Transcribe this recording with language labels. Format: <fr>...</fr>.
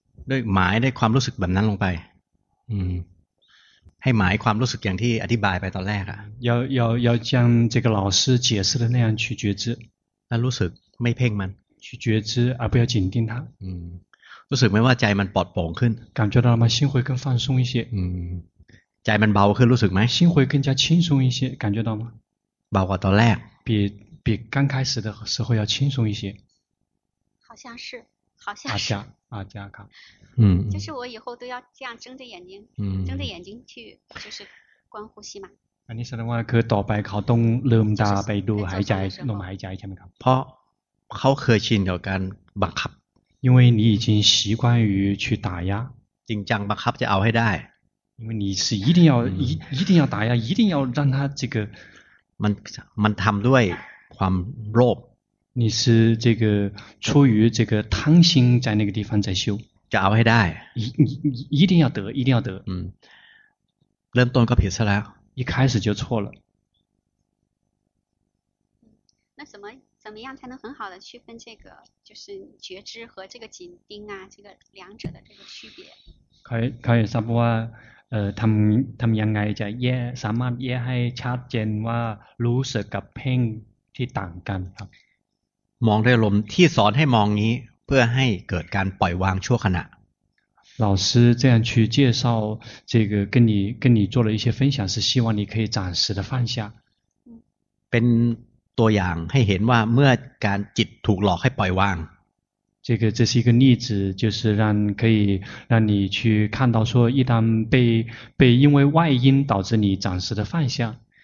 <th>ด้วยหมายด้วยความรู้สึกแบบนั้นลงไป，ให้หมายความรู้สึกอย่างที่อธิบายไปตอนแรกอ่ะ，</th> <zh>要像这个老师解释的那样去觉知，</zh> <th>แล้วรู้สึกไม่เพ่งมัน，</th> <zh>去觉知而不要紧盯它，</zh> <th>รู้สึกไหมว่าใจมันปลอดโปร่งขึ้น，</th> <zh>感觉到吗？心会更放松一些，</zh> <th>ใจมันเบาขึ้นรู้สึกไหม？</th> <zh>心会更加轻松一些，感觉到吗？</zh> <th>เบากว่าตอนแรก，</th> <zh>比刚开始的时候要轻松一些。好像是，好像是。阿加卡，就是我以后都要这样睁着眼睛，睁着眼睛去，就是观呼吸嘛。</zh> <th>อันนี้แสดงว่าคือต่อไปเขาต้องลืมตาไปดูหายใจลมหายใจใช่ไหมครับ？ เพราะเขาเคยชินกับการบังคับ。</th> <zh>因为你已经习惯于去打压。</zh> <th>จริงจังบังคับจะเอาให้ได้。</th> <zh>因为你是一定要一定要打压，一定要让他这个，</zh> <th>มันทำด้วยความโลภ，</th> <zh>你是这个出于这个贪心在那个地方在修，</zh> <th>จะเอาให้ได้，</th> <zh>一定要得，</zh> <th>เริ่มต้นก็ผิดซะแล้ว，</th> <zh>一开始就错了。那怎么样才能很好的区分这个就是觉知和这个紧盯啊这个两者的这个区别？可以差不多。</zh> <th>ทำยังไงจะแยกสามารถแยกให้ชัดเจนว่ารู้สึกกับเพ่งที่ต่างกันครับ มองด้วยลมที่สอนให้มองนี้เพื่อให้เกิดการปล่อยวางชั่วขณะ</th> <zh>老师这样去介绍这个跟你做了一些分享是希望你可以暂时的放下</zh> <th>เป็นตัวอย่างให้เห็นว่าเมื่อการจิตถูกหลอกให้ปล่อยวาง</th> <zh>这是一个例子，就是可以让你去看到说，一旦被因为外因导致你暂时的放下，</zh>